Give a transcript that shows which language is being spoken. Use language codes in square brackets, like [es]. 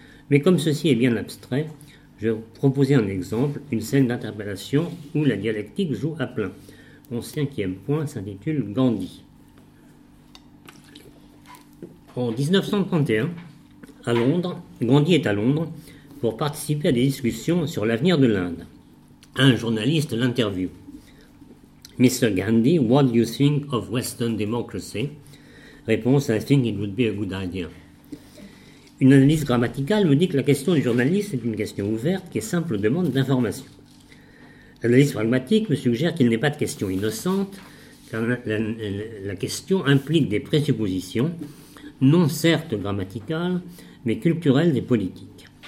[fr] Mais comme ceci est bien abstrait, je vais vous proposer un exemple, une scène d'interpellation où la dialectique joue à plein. Mon cinquième point s'intitule Gandhi. En 1931, à Londres, Gandhi est à Londres pour participer à des discussions sur l'avenir de l'Inde. Un journaliste l'interview. Mr. [en] Gandhi, what do you think of Western democracy? [fr] Réponse, [en] I think it would be a good idea. [fr] Une analyse grammaticale me dit que la question du journaliste est une question ouverte qui est simple demande d'information. L'analyse pragmatique me suggère qu'il n'est pas de question innocente, car la question implique des présuppositions, non certes grammaticales, mais culturelles et politiques.